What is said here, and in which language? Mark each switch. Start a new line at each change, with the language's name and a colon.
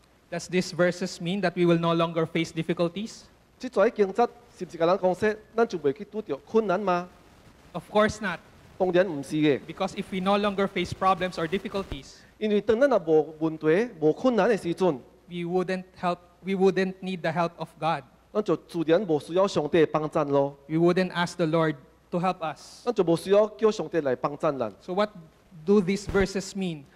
English: Does this verses mean that we will no longer face difficulties?
Min Nan Chinese: 这经节是不是跟咱讲说，咱就袂去拄着困难吗？
English: Of course not. Because if we no longer face problems or difficulties, we wouldn't need the help of God. We wouldn't ask the Lord to help us. So what do these verses mean?